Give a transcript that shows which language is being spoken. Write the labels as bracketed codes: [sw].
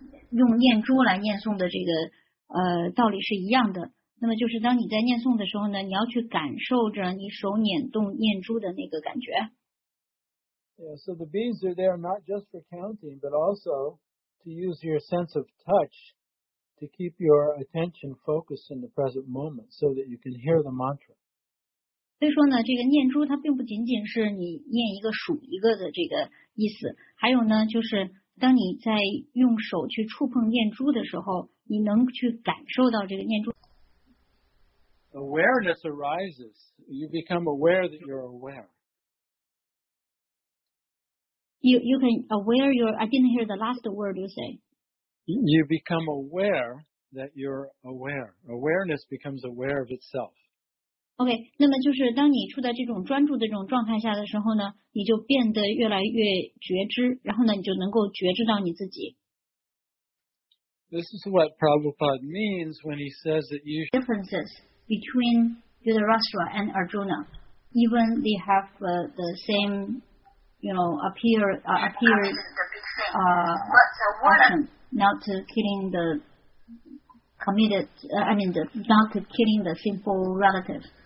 [zh] 用念珠来念诵的这个道理是一样的，那么就是当你在念诵的时候呢，你要去感受着你手捻动念珠的那个感觉。 [en] Yeah, so the beads are there not just for counting, but also to use your sense of touch to keep your attention focused in the present moment so that you can hear the mantra. [zh] 所以说呢，这个念珠它并不仅仅是你念一个数一个的这个意思，还有呢，就是当你在用手去触碰念珠的时候，你能去感受到这个念珠。 [en] Awareness arises. You become aware that you're aware. You can aware your. I didn't hear the last word you say. You become aware that you're aware. Awareness becomes aware of itself. [zh] Okay, 那么就是当你处在这种专注的这种状态下的时候呢，你就变得越来越觉知，然后呢，你就能够觉知到你自己。 [en] This is what Prabhupada means when he says that you differences. Between Yudhishthira and Arjuna, even they have the same, you know, action, not killing the committed, not killing the sinful relative.